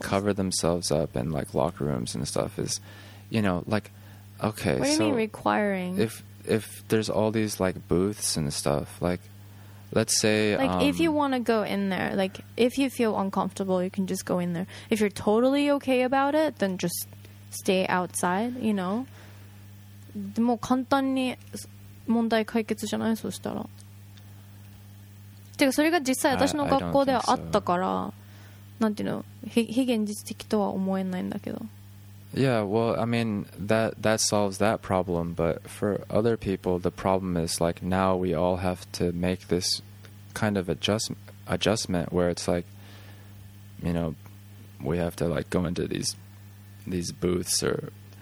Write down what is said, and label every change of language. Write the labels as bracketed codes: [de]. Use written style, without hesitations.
[en] To cover themselves up in like locker rooms and stuff is, you know, like okay. What so do you mean requiring? If there's all these like booths and stuff, like let's say like if you want to go in there, like if you feel uncomfortable, you can just go in there. If you're totally okay about it, then just. Stay outside, you know. [ja] でも簡単に問題解決じゃない？そしたら。てかそれが実際私の学校ではあったから、なんていうの、非現実的とは思えないんだけど。 [en] Yeah, well, I mean that solves that problem, but for other people, the problem is like now we all have to make this kind of adjustment where it's like, you know, we have to like go into these booths or